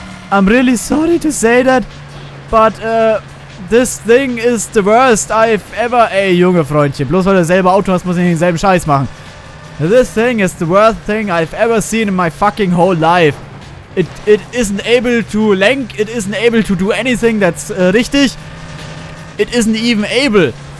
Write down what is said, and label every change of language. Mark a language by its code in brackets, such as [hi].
[en] I'm really sorry to say that, but this thing is the worst I've ever... [de] Ey, junge Freundchen, bloß weil du selber Auto hast, muss ich nicht denselben Scheiß machen. [en] This thing is the worst thing I've ever seen in my fucking whole life. It isn't able to lenk, it isn't able to do anything that's richtig. It isn't even able.